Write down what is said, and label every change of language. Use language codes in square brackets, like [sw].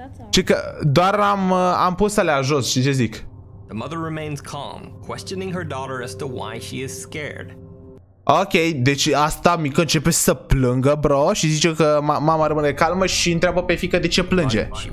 [ro] Ci că doar am pus alea jos, știi ce zic? [en] The mother remains calm, questioning her daughter as to why she is scared. [ro] Ok, deci asta mică începe să plângă, bro, și zice că mama rămâne calmă și întreabă pe fiică de ce plânge.